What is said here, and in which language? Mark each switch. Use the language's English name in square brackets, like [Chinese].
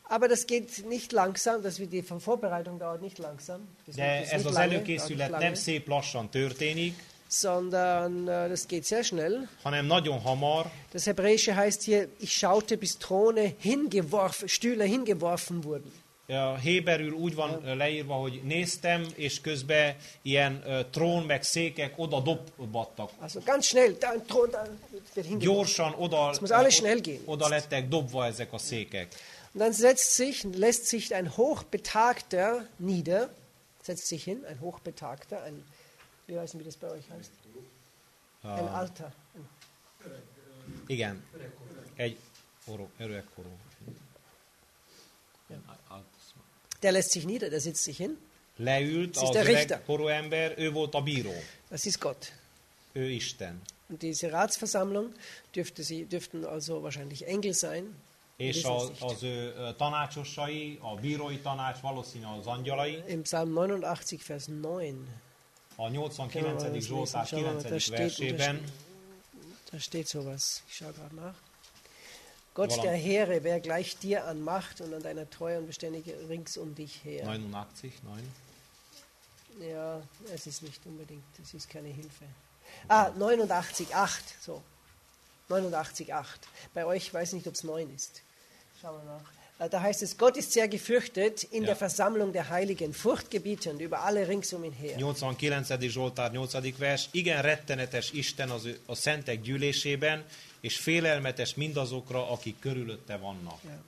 [German] Aber das geht nicht langsam, das wird die Vorbereitung dauert nicht langsam. [Hungarian] De ez az előkészület nem szép lassan történik. [German] Sondern das geht sehr schnell. [Hungarian] Hanem nagyon hamar. [German] Das Hebräische heißt hier, ich schaute, bis Throne hingeworfen, Stühle hingeworfen wurden. [Hungarian] A héberül úgy van leírva, hogy néztem, és közben ilyen trón meg székek oda dobbattak. [German] Ganz schnell, dann Thron, dann wird hingeworfen. [Hungarian] Gyorsan oda, [German] es muss alles schnell gehen. [Hungarian] Oda lettek dobva ezek a székek. [German] Und dann setzt sich, lässt sich ein hochbetagter nieder, setzt sich hin, ein hochbetagter, ein, wie weiß ich, wie das bei euch heißt, ein alter. [Hungarian] Igen, egy öregkorú. [German] Der lässt sich nieder, der sitzt sich hin. [Hungarian] Leült, [German] das ist der Richter. [Hungarian] Ember, ő volt a bíró. [German] Das ist Gott. [Hungarian] Ő Isten. [German] Und diese Ratsversammlung dürfte sie, dürften also wahrscheinlich Engel sein. [Hungarian] És a, az ő tanácsosai, a bírói tanács valószínűleg az angyalai. [German] Im Psalm 89, Vers 9. [Hungarian] A 89. Zsoltár 9. versében. [German] Da steht sowas. Ich schaue gerade nach. Gott der Heere, wer gleicht dir an Macht und an deiner Treue und Beständigkeit rings um dich her? 89, 9. Ja, es ist nicht unbedingt, es ist keine Hilfe. Ah, 89, 8, so. 89, 8. Bei euch weiß ich nicht, ob es 9 ist. Schauen wir nach. Da heißt es, Gott ist sehr gefürchtet in der Versammlung der Heiligen, furchtgebietend über alle rings um ihn her. [Hungarian] 89. Zsoltár 8. vers. Igen rettenetes Isten az a szentek gyűlésében, és félelmetes mindazokra, akik körülötte vannak.